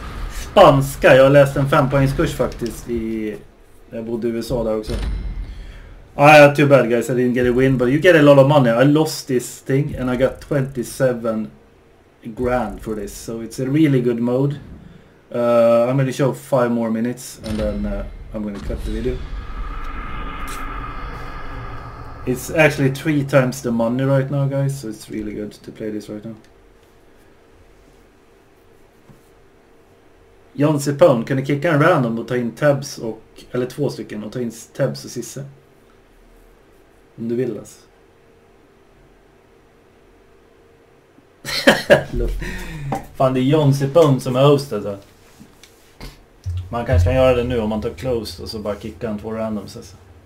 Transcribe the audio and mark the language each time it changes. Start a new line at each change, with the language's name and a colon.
Swedish: Spanska, jag läste en 5-poängskurs faktiskt i... Jag bodde i USA där också.
English: I had too bad guys, I didn't get a win, but you get a lot of money. I lost this thing and I got 27 grand for this. So it's a really good mode. I'm gonna show 5 more minutes and then I'm gonna cut the video. It's actually 3 times the money right now, guys, so it's really good to play this right now.
Swedish: John Cipone, kan du kicka en random och ta in Tabs och... Eller 2 stycken och ta in Tabs och Sisse? Om du vill, alltså. Fan, det är John Cipone som är host, alltså. Man kanske kan göra det nu om man tar closed och så bara kicka en 2 randoms, alltså.